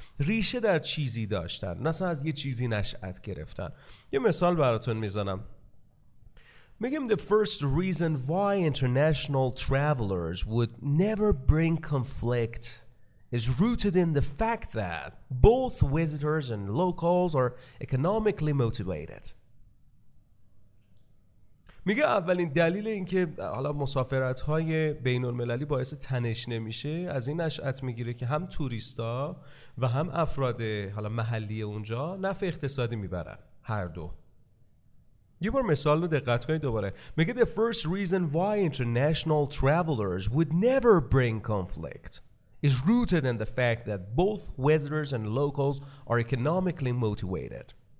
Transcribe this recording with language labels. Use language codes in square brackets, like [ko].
[fa] ریشه در چیزی داشتن، مثلا از یه چیزی نشأت گرفتن. یه مثال براتون میزنم. میگم [en] the first reason why international travelers would never bring conflict is rooted in the fact that both visitors and locals are economically motivated. [fa] میگه اولین دلیل این که حالا مسافرت های بین المللی باعث تنش نمیشه از این نشأت میگیره که هم توریستا و هم افراد حالا محلی اونجا نفع اقتصادی میبرن هر دو. یه بار مثال رو دقت کنید دوباره. میگه [en] the first reason why international travelers would never bring conflict is rooted in the fact that both visitors and locals are economically motivated.